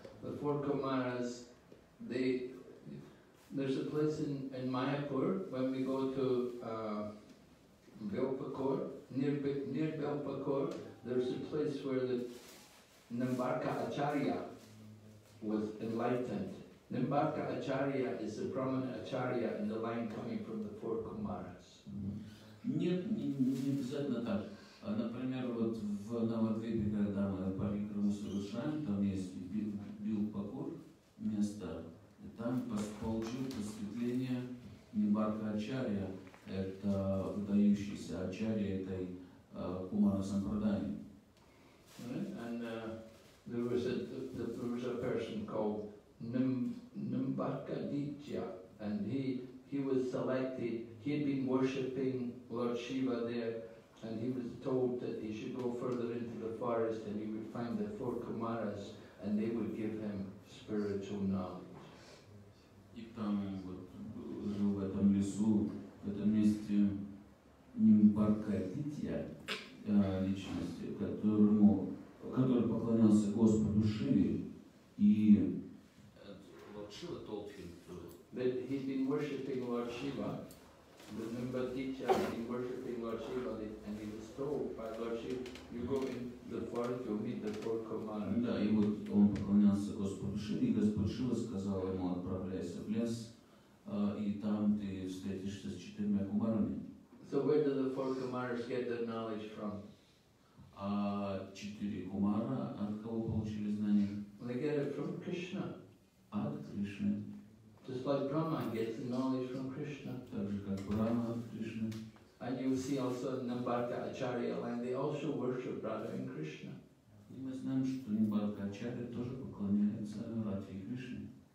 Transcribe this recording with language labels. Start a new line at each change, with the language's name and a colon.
English: The four Kumaras, there's a place in Mayapur when we go to Belpakor, near Belpakor, there's a place where the Nimbarka Acharya was enlightened. Nimbarka Acharya is a prominent Acharya in the line coming from the four Kumaras.
Russian: Не обязательно так. Например, вот в Навадвипе, когда мы парикраму совершаем, там есть Билпакур место, и там получил просветление Нимбарка Ачарья, это выдающийся Ачарья этой Кумара Сампрадаи.
English: And there was a person called Нимбарка Дитья, and he was selected, he had been worshipping Lord Shiva there, and he was told that he should go further into the forest and he would find the four Kumaras and they would give him spiritual knowledge.
Russian: И там вот жил в этом лесу, в этом месте Нимбарка Дитья, личности, который поклонялся Господу Шиве, и
English: Lord Shiva told him to. That he'd been worshipping Lord Shiva. The Nimbarka been worshipping Lord Shiva, and he was told by Lord Shiva, you go in the forest, you'll meet the four Kumaras.
Russian: Да, и вот он поклонялся Господу Шиве, и Господь Шива сказал ему, отправляйся в лес, и там ты встретишься с четырьмя кумарами.
English: So where do the four Kumaras get their knowledge from?
Russian: А четыре кумара от кого получили знания?
English: They get it from Krishna.
Russian: От Кришны.
English: Just like Brahma gets the knowledge from Krishna.
Russian: Так же как Брама от Кришны.
English: And you see also Nimbarka Acharya line, they also worship Radha and Krishna.
Russian: И мы знаем, что Нимбарка Ачарья тоже поклоняется Радхе и Кришне.